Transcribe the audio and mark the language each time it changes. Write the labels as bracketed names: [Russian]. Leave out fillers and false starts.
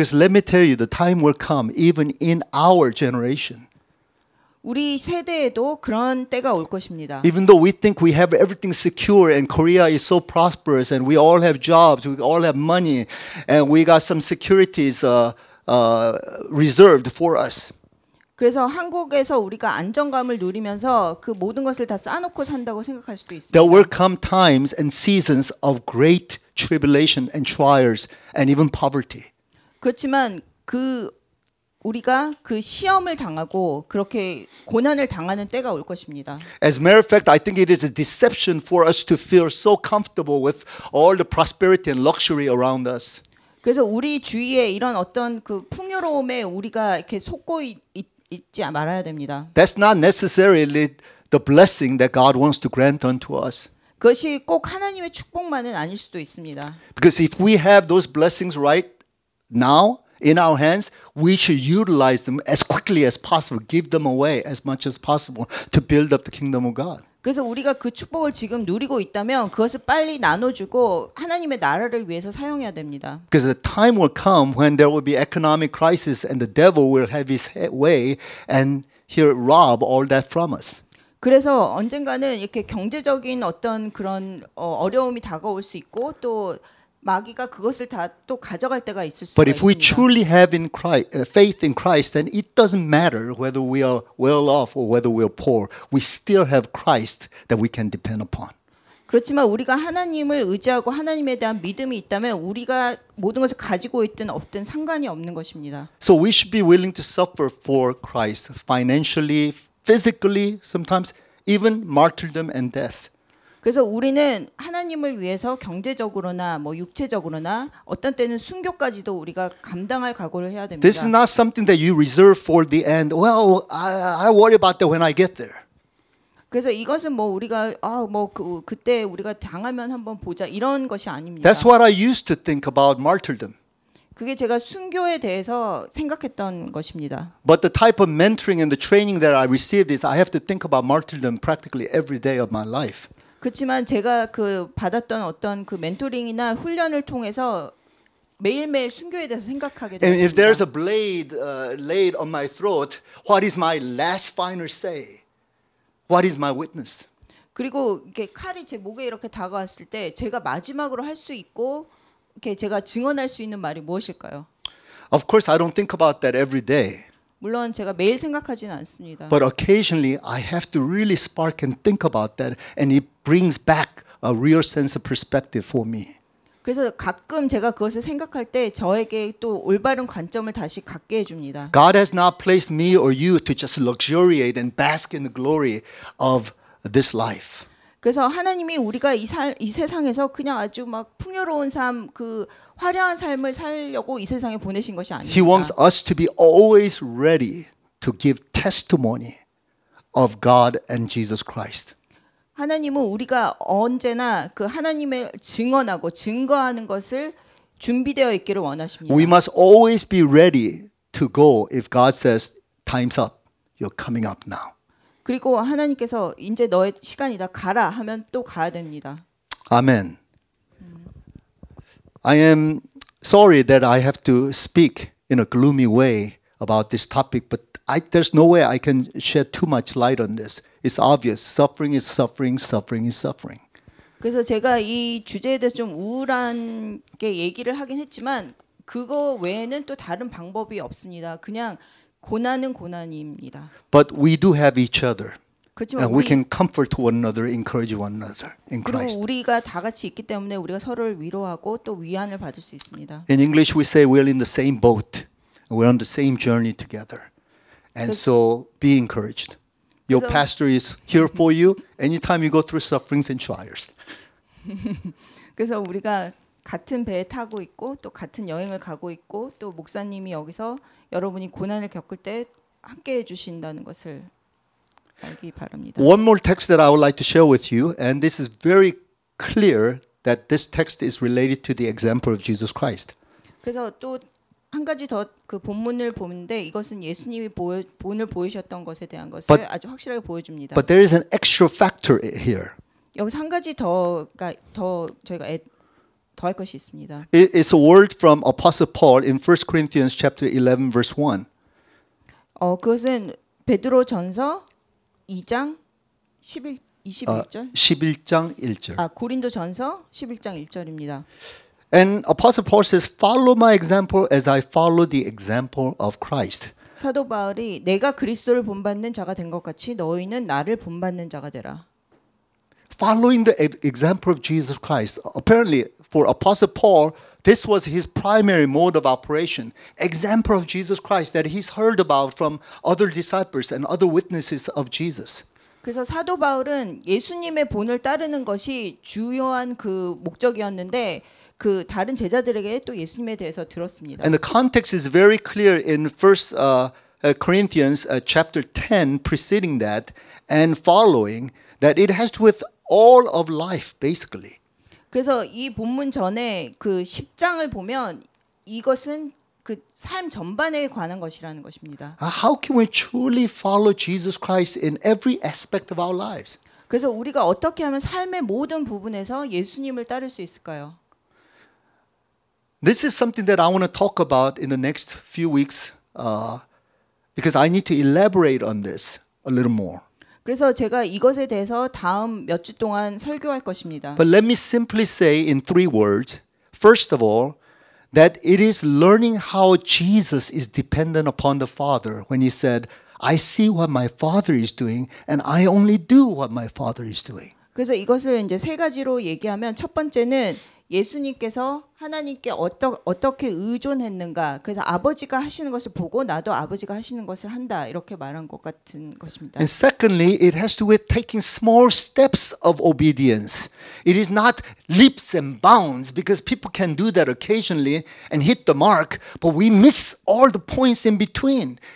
[English] Because let me tell you, the time will come even in our generation. [Korean] 우리 세대에도 그런 때가 올 것입니다. [English] Even though we think we have everything secure and Korea is so prosperous and we all have jobs, we all have money and we got some securities reserved for us. [Korean] 그래서 한국에서 우리가 안정감을 누리면서 그 모든 것을 다 쌓아놓고 산다고 생각할 수도 있습니다. [English] There will come times and seasons of great tribulation and trials and even poverty. [Korean] 그렇지만 그 우리가 그 시험을 당하고 그렇게 고난을 당하는 때가 올 것입니다. [English] As a matter of fact, I think it is a deception for us to feel so comfortable with all the prosperity and luxury around us. [Korean] 그래서 우리 주위에 이런 어떤 그 풍요로움에 우리가 이렇게 속고 잊지 말아야 됩니다. [English] That's not necessarily the blessing that God wants to grant unto us. [Korean] 그것이 꼭 하나님의 축복만은 아닐 수도 있습니다. [English] Because if we have those blessings right now in our hands, we should utilize them as quickly as possible, give them away as much as possible to build up the kingdom of God. [Korean] 그래서 우리가 그 축복을 지금 누리고 있다면 그것을 빨리 나눠주고 하나님의 나라를 위해서 사용해야 됩니다. [English] Because the time will come when there will be economic crisis and the devil will have his way and he'll rob all that from us. [Korean] 그래서 언젠가는 이렇게 경제적인 어떤 그런 어려움이 다가올 수 있고 또 마귀가 그것을 다 또 가져갈 때가 있을 수 있습니다. [English] But if we truly have in Christ, faith in Christ, then it doesn't matter whether we are well off or whether we are poor. We still have Christ that we can depend upon. [Korean] 그렇지만 우리가 하나님을 의지하고 하나님에 대한 믿음이 있다면 우리가 모든 것을 가지고 있든 없든 상관이 없는 것입니다. [English] So we should be willing to suffer for Christ financially, physically, sometimes even martyrdom and death. [Korean] 그래서 우리는 하나님을 위해서 경제적으로나 뭐 육체적으로나 어떤 때는 순교까지도 우리가 감당할 각오를 해야 됩니다. [English] This is not something that you reserve for the end. Well, I worry about that when I get there. [Korean] 그래서 이것은 뭐 우리가 아 뭐 그때 우리가 당하면 한번 보자 이런 것이 아닙니다. [English] That's what I used to think about martyrdom. [Korean] 그게 제가 순교에 대해서 생각했던 것입니다. [English] But the type of mentoring and the training that I received is I have to think about martyrdom practically every day of my life. [Korean] 그렇지만 제가 그 받았던 어떤 그 멘토링이나 훈련을 통해서 매일매일 순교에 대해서 생각하게 됐습니다. [English] And if there's a blade laid on my throat, what is my last final say? What is my witness? [Korean] 그리고 이렇게 칼이 제 목에 이렇게 다가왔을 때 제가 마지막으로 할 수 있고 이렇게 제가 증언할 수 있는 말이 무엇일까요? [English] Of course, I don't think about that every day. [Korean] 물론 제가 매일 생각하지는 않습니다. [English] But occasionally, I have to really spark and think about that, and it brings back a real sense of perspective for me. [Korean] 그래서 가끔 제가 그것을 생각할 때 저에게 또 올바른 관점을 다시 갖게 해줍니다. [English] God has not placed me or you to just luxuriate and bask in the glory of this life. [Korean] 그래서 하나님이 우리가 이 세상에서 그냥 아주 막 풍요로운 삶, 그 화려한 삶을 살려고 이 세상에 보내신 것이 아닙니다. [English] He wants us to be always ready to give testimony of God and Jesus Christ. [Korean] 하나님은 우리가 언제나 그 하나님을 증언하고 증거하는 것을 준비되어 있기를 원하십니다. [English] We must always be ready to go if God says, "Time's up. You're coming up now." [Korean] 그리고 하나님께서 이제 너의 시간이다 가라 하면 또 가야 됩니다. 아멘. [English] I am sorry that I have to speak in a gloomy way about this topic, but there's no way I can shed too much light on this. It's obvious. Suffering is suffering. Suffering is suffering. [Korean] 그래서 제가 이 주제에 대해 좀 우울한 게 얘기를 하긴 했지만 그거 외에는 또 다른 방법이 없습니다. 그냥 고난은 고난입니다. [English] But we do have each other. [Korean] 그렇지만 [English] and we can comfort one another, encourage one another in Christ. [Korean] 그리고 우리가 다 같이 있기 때문에 우리가 서로를 위로하고 또 위안을 받을 수 있습니다. [English] In English we say we're in the same boat. We're on the same journey together. And so be encouraged. Your pastor is here for you anytime you go through sufferings and trials. [Korean] 그래서 우리가 같은 배에 타고 있고 또 같은 여행을 가고 있고 또 목사님이 여기서 여러분이 고난을 겪을 때 함께 해 주신다는 것을 알기 바랍니다. [English] One more text that I would like to share with you, and this is very clear that this text is related to the example of Jesus Christ. [Korean] 그래서 또 한 가지 더 그 본문을 보는데 이것은 예수님이 본을 보이셨던 것에 대한 것을 [English] but, [Korean] 아주 확실하게 보여줍니다. [English] But there is an extra factor here. [Korean] 여기서 한 가지 더가 더 저희가 더할 것이 있습니다. [English] It's a word from Apostle Paul in 1 Corinthians chapter 11 verse 1. [Korean] 그것은 베드로 전서 2장 11절. 11장 1절. 아, 고린도 전서 11장 1절입니다. [English] And Apostle Paul says, "Follow my example as I follow the example of Christ." [Korean] 사도 바울이 내가 그리스도를 본받는 자가 된 것 같이 너희는 나를 본받는 자가 되라. [English] Following the example of Jesus Christ. Apparently, for Apostle Paul, this was his primary mode of operation. Example of Jesus Christ that he's heard about from other disciples and other witnesses of Jesus. [Korean] 그래서 사도 바울은 예수님의 본을 따르는 것이 주요한 그 목적이었는데. 그 다른 제자들에게 또 예수님에 대해서 들었습니다. [English] And the context is very clear in 1 Corinthians chapter 10 preceding that and following that it has to with all of life basically. [Korean] 그래서 이 본문 전에 그 10장을 보면 이것은 그 삶 전반에 관한 것이라는 것입니다. [English] How can we truly follow Jesus Christ in every aspect of our lives? [Korean] 그래서 우리가 어떻게 하면 삶의 모든 부분에서 예수님을 따를 수 있을까요? [English] This is something that I want to talk about in the next few weeks because I need to elaborate on this a little more. [Korean] 그래서 제가 이것에 대해서 다음 몇 주 동안 설교할 것입니다. [English] But let me simply say in three words, first of all, that it is learning how Jesus is dependent upon the Father when he said, "I see what my Father is doing and I only do what my Father is doing." [Korean] 그래서 이것을 이제 세 가지로 얘기하면 첫 번째는 예수님께서 하나님께 어떻게 의존했는가 그래서 아버지가 하시는 것을 보고 나도 아버지가 하시는 것을 한다 이렇게 말한 것 같은 것입니다. [English] And secondly, it has to do with taking small steps of obedience. It is not leaps and bounds because people can do that occasionally and hit the mark, but we miss all the points in between.